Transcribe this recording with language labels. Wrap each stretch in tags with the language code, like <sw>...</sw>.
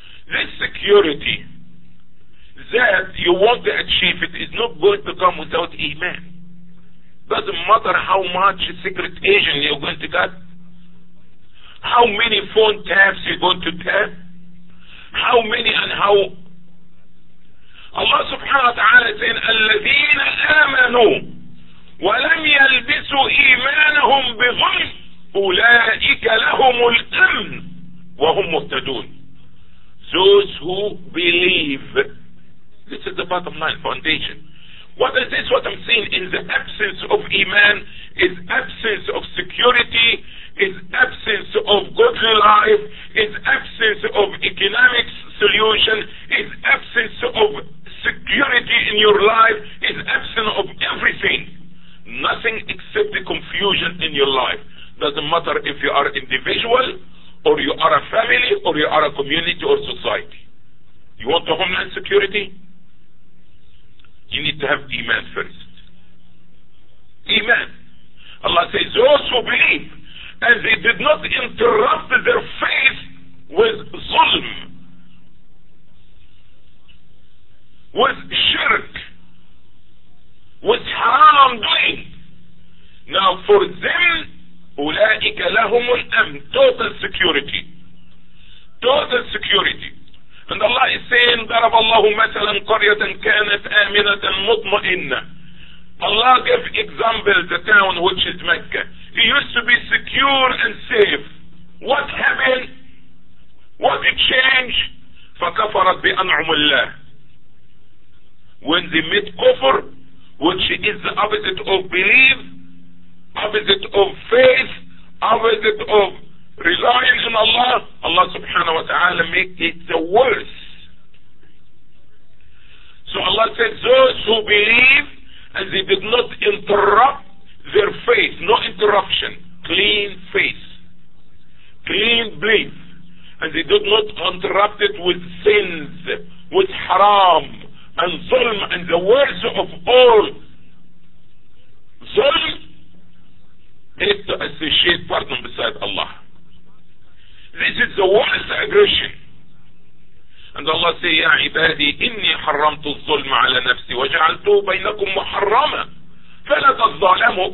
<en>This security that you want to achieve, it is not going to come without iman. Doesn't matter how much secret agent you're going to get, how many phone taps you're going to tap, how many and how. Allah subhanahu wa ta'ala saying,</en> <ar>الَّذِينَ آمَنُوا وَلَمْ يَلْبِسُوا إِيمَانَهُمْ بِظُلْمٍ أُولَٰئِكَ لَهُمُ الْأَمْنُ وَهُمْ مُهْتَدُونَ.</ar> <en>Those who believe. This is the bottom line foundation. What is this? What I'm saying in the absence of iman is absence of security, is absence of godly life, is absence of economic solution, is absence of security in your life, is absence of everything. Nothing except the confusion in your life. Doesn't matter if you are individual, or you are a family, or you are a community or society. You want the homeland security? You need to have iman first. Iman. Allah says, those who believe, and they did not interrupt their faith with zulm, with shirk, with haram doing. Now for them,</en> <ar>أُولَٰئِكَ لَهُمُ الْأَمْنِ,</ar> <en>total security. Total security. And Allah is saying,</en> <ar>ضرب الله مثلا قرية كانت آمنة مطمئنة.</ar> <en>Allah gave example, the town which is Mecca. It used to be secure and safe. What happened? What did change?</en> <ar>فَكَفَرَتْ بِأَنْعُمُ اللَّهِ.</ar> <en>When they met kufr, which is the opposite of belief, opposite of faith, opposite of reliance on Allah, Allah subhanahu wa ta'ala make it the worst. So Allah said, those who believe, and they did not interrupt their faith, no interruption, clean faith, clean belief, and they did not interrupt it with sins, with haram and zulm, and the worst of all zulm is to associate pardon beside Allah. This is the worst aggression. And Allah says,</en> <ar>يَا عِبَادِي إِنِّي حَرَّمْتُ الظُّلْمَ عَلَى نَفْسِي وَجَعَلْتُ بَيْنَكُمْ مُحَرَّمًا فَلَا تَظَّلَمُوا.</ar>